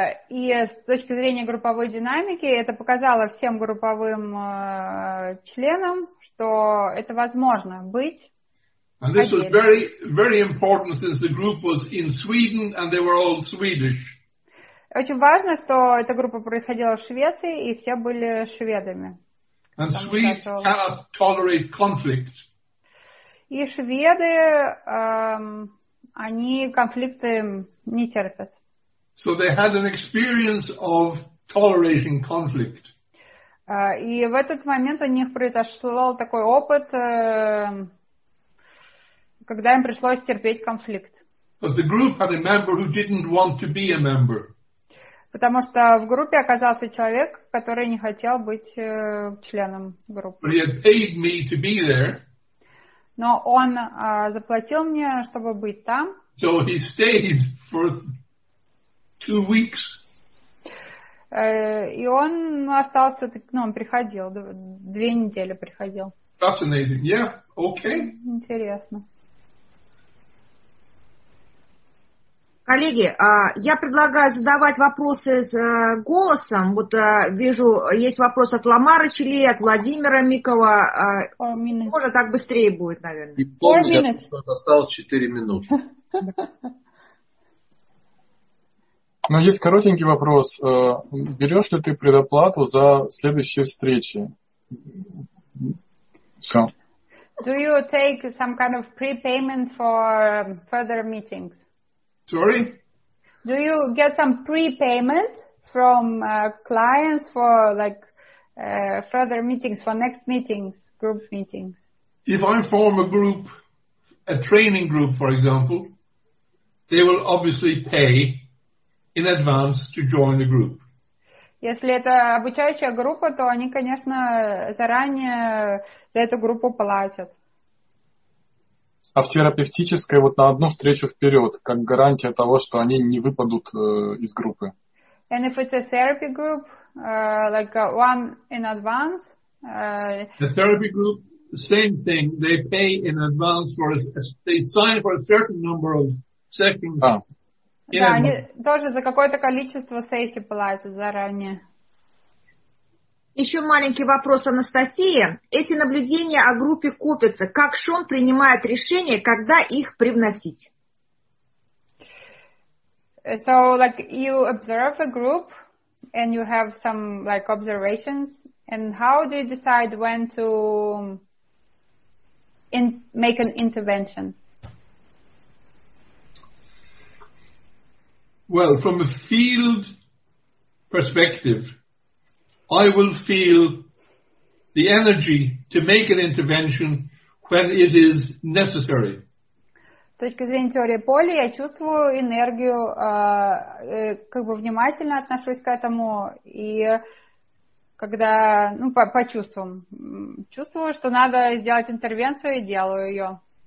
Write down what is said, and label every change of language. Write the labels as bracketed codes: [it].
[ru] И с точки зрения групповой динамики это показало всем групповым членам, что это возможно быть. [en] And this was very, very important since the group was in Sweden and they were all Swedish. [ru] Очень важно, что эта группа происходила в Швеции и все были шведами. [en] And Swedes cannot tolerate conflict. [ru] И шведы, они конфликты не терпят. [en] So they had an experience of tolerating conflict. [ru] И в этот момент у них произошел такой опыт, когда им пришлось терпеть конфликт. [en] But the group had a member who didn't want to be a member. [ru] Потому что в группе оказался человек, который не хотел быть членом группы. [en] But he had paid me to be there. [ru] Но он заплатил мне, чтобы быть там. [en] So he stayed for 2 weeks. [ru] И он остался, ну, он приходил, 2 недели приходил. [en] Fascinating, yeah, okay. [ru] Интересно. Коллеги, я предлагаю задавать вопросы с голосом. Вот вижу, есть вопрос от Ламары Чили, от Владимира Микова. Может, так быстрее будет, наверное. И помню, что осталось 4 минуты. Но есть коротенький вопрос. Берешь ли ты предоплату за следующие встречи? [en] Do you take some kind of prepayment for further meetings? Sorry? Do you get some prepayment from clients for like further meetings, for next meetings, group meetings? If I form a group, a training group, for example, they will obviously pay in advance to join the group. [ru] Если это обучающая группа, то они, конечно, заранее за эту группу платят. А в терапевтической вот на одну встречу вперед, как гарантия того, что они не выпадут из группы. [en] And if it's a therapy group, like one in advance. The therapy group, same thing. They pay in advance for they sign for a certain number of sessions. [ru] Да, они тоже за какое-то количество сессий платят заранее. Еще маленький вопрос Анастасии. Эти наблюдения о группе копятся. Как Шон принимает решение, когда их привносить? [en] So, like, you observe a group and you have some, like, observations. And how do you decide when to make an intervention? Well, from a field perspective, I will feel the energy to make an intervention when it is necessary. [ru] С точки зрения теории поля, я чувствую энергию, как бы внимательно отношусь к этому, и когда, ну, по чувствам, чувствую, что надо сделать интервенцию, и делаю ее.